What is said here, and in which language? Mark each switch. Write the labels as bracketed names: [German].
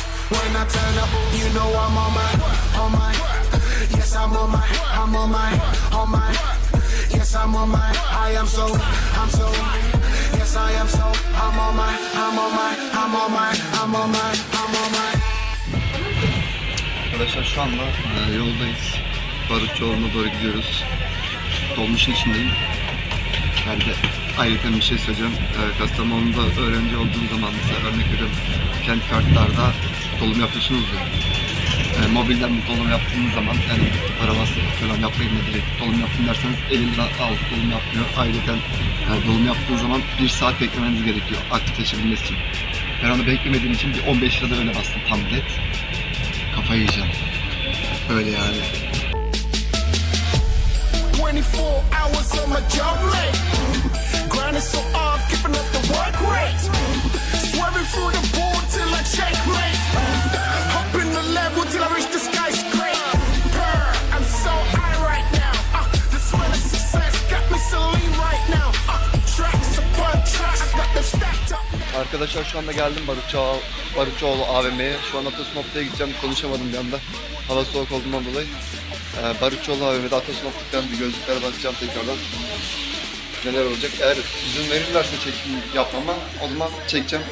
[English] When I turn up, you know I'm on my, on my. Yes, I'm on my, I'm on my, on my. Yes, I'm on my, I am so, I'm so. Yes, I am so, I'm on my, I'm on my, I'm on my, I'm on my, I'm on my. [Turkish] Arkadaşlar şu anda yoldayız. Barutçoğlu'na doğru gidiyoruz. Dolmuşun içindeyim. Ben de ayrıca bir şey söyleyeceğim. Kastamonu'da öğrenci olduğum zaman mesela örnek veriyorum. Kent kartlarda dolum yapıyorsunuz ya. Mobilden bir dolum yaptığınız zaman yani para bastık falan yapmayın da direkt dolum yaptım derseniz elimde alıp dolum yapmıyor. Ayrıca dolum yaptığınız zaman bir saat beklemeniz gerekiyor aktifleşebilmesi için. Ben onu beklemediğim için bir 15 lira da öyle bastım tam net. Kafayı yiyeceğim. Öyle yani. [English] 24 hours on my job late. Grinding so hard, keeping up the work rate. Swerving through the board till I checkmate. Hopping the level till I reach the skyscraper. I'm so high right now. The smell of success got me so lean right now. Tracks upon tracks, got them stacked up. [Turkish] Arkadaşlar şu anda geldim Barutçoğlu AVM'ye. Şu an Atasun Opta'ya gideceğim. Konuşamadım bir anda. Hava soğuk olduğundan dolayı. Barutçoğlu AVM'de Atasun Opta'dan bir gözlüklere bakacağım tekrardan. Neler olacak? Eğer izin verirlerse çekim yapmama o zaman çekeceğim.